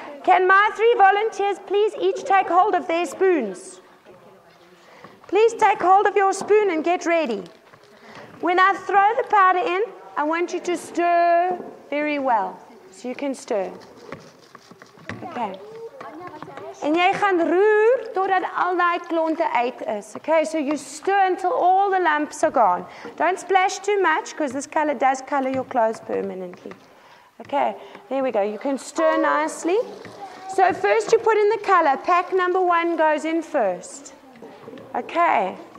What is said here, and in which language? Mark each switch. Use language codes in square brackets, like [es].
[en] Can my 3 volunteers please each take hold of their spoons? Please take hold of your spoon and get ready. When I throw the powder in, I want you to stir very well. So you can stir. Okay. [af] En jy gaan roer totdat al die klonte uit is. [en] Okay, so you stir until all the lumps are gone. Don't splash too much because this color does color your clothes permanently. Okay, there we go. You can stir nicely. So first you put in the color. Pack number one goes in first. Okay.